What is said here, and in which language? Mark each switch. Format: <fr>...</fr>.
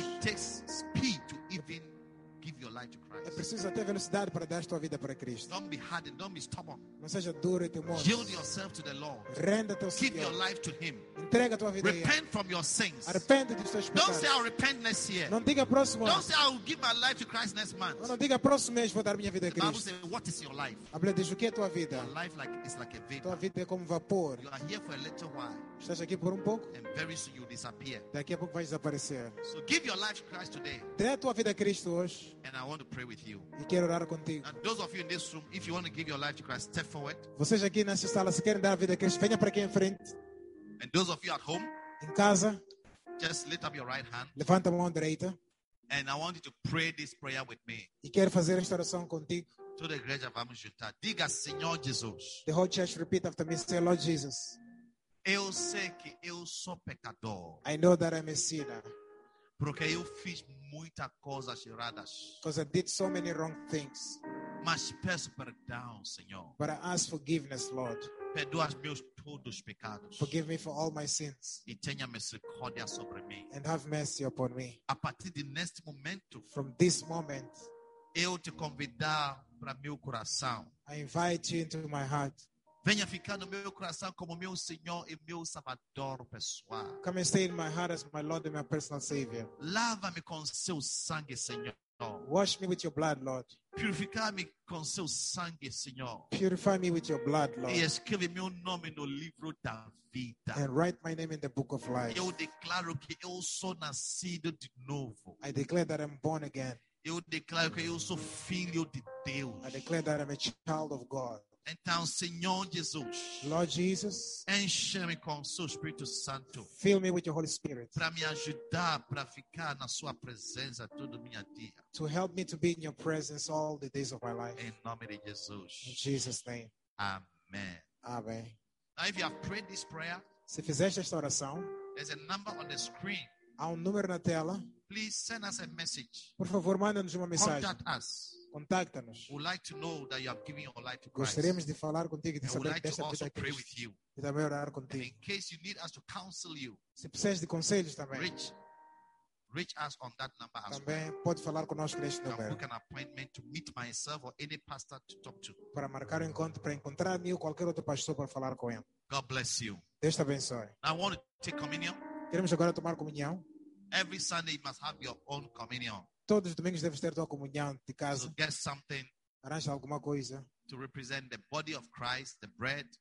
<en>It takes speed to even give your life to Christ.</en> <pt>É preciso ter velocidade para dar a tua vida para Cristo.</pt> <en>Don't be hardened. Don't be stubborn.</en> <pt>Não seja duro e teimoso.</pt> <en>Yield yourself to the Lord.</en> <pt>Renda teu</pt> <en>Senhor. Give your life to Him.</en> <pt>Entrega tua vida a Ele.</pt> <en>Repent from your sins.</en> <pt>Arrepende dos teus pecados.</pt> <en>Don't say I'll repent next year.</en> <pt>Não diga próximo ano.</pt> <en>Don't say I'll give my life to Christ next month.</en> <pt>Não diga próximo mês vou dar minha vida a Cristo.</pt> <en>The Bible says, what is your life?</en> <pt>A Bíblia diz o que é tua vida?</pt> <en>Your life like is like a vapor.</en> <pt>Tua vida é como vapor.</pt> <en>You are here for a little while.</en> <pt>Estás aqui por pouco.</pt> <en>And very soon you disappear.</en> <pt>Daqui a pouco vais desaparecer.</pt> <en>So give your life to Christ today.</en> <pt>Dê tua vida a Cristo hoje.</pt> <en>And I want to pray with you.</en> <pt>E quero orar contigo.</pt> <en>And those of you in this room, if you want to give your life to Christ, step forward.</en> <pt>Vocês aqui nessa sala, se querem dar a vida a Cristo, venha para aqui em frente.</pt> <en>And those of you at home,</en> <pt>em casa,</pt> <en>just lift up your right hand.</en> <pt>Levanta a mão direita.</pt> <en>And I want you to pray this prayer with me.</en> <pt>E quero fazer esta oração contigo. To the igreja vamos juntar. Diga, Senhor Jesus.</pt> <en>The whole church repeat after me. Say, Lord Jesus.</en> <pt>Eu sei que eu sou pecador.</pt> <en>I know that I'm a sinner.</en> <pt>Porque eu fiz muita coisas erradas.</pt> <en>Because I did so many wrong things.</en> <pt>Mas peço perdão, Senhor.</pt> <en>But I ask forgiveness, Lord.</en> <pt>Perdoa os meus todos pecados.</pt> <en>Forgive me for all my sins.</en> <pt>E tenha misericórdia sobre mim.</pt> <en>And have mercy upon me.</en> <pt>A partir de neste momento,</pt> <en>from this moment,</en> <pt>eu te convido para meu coração.</pt> <en>I invite you into my heart.</en> <pt>Venha ficar no meu coração como meu Senhor e meu Salvador pessoal.</pt> <en>Come and stay in my heart as my Lord and my personal Savior.</en> <pt>Lava-me com seu sangue, Senhor.</pt> <en>Wash me with your blood, Lord.</en> <pt>Purifica-me com seu sangue, Senhor.</pt> <en>Purify me with your blood, Lord.</en> <pt>E escreve meu nome no livro da vida.</pt> <en>And write my name in the book of life.</en> <pt>Eu declaro que eu sou nascido de novo.</pt> <en>I declare that I'm born again.</en> <pt>Eu declaro que eu sou filho de Deus.</pt> <en>I declare that I'm a child of God.</en> <pt>Então, Senhor Jesus,</pt> <en>Lord Jesus,</en> <pt>enche-me com o seu Espírito Santo.</pt> <en>Fill me with your Holy Spirit.</en> <pt>Para me ajudar para ficar na sua presença todo o meu dia.</pt> <en>To help me to be in your presence all the days of my life.</en> <pt>Em nome de Jesus.</pt> <en>In Jesus' name.</en> <pt>Amen.</pt> <en>Amen. Now, if you have prayed this prayer,</en> <pt>se fizeste esta oração,</pt> <en>there's a number on the screen.</en> <pt>Há número na tela.</pt> <en>Please send us a message.</en> <pt>Por favor, manda-nos uma mensagem.</pt> <en>Contact us.</en> <pt>Contacta-nos.</pt> <en>We'd like to know that you have given your life to Christ.</en> <pt>Gostaríamos de falar contigo e de saber</pt> <en>like</en> <pt>desta</pt> <en>to pray with you.</en> <pt>E também orar contigo.</pt> <en>And in case you need us to counsel you.</en> <pt>Se precisas de conselhos também.</pt> <en>Reach us on that number as</en> <pt>também</pt> <en>well.</en> <pt>Pode falar conosco neste número.</pt> <en>Book an appointment to meet myself or any pastor to talk to.</en> <pt>Para marcar um encontro para encontrar mim ou qualquer outro pastor para falar com ele.</pt> <en>God bless you.</en> <pt>Deus te abençoe.</pt> <en>I want to take communion.</en> <pt>Queremos agora tomar comunhão.</pt> <en>Every Sunday you must have your own communion.</en> <pt>Todos os domingos deves ter tua comunhão de casa.</pt> <en>To get something,</en> <pt>arranja alguma coisa.</pt> <en>To represent the body of Christ, the bread,</en>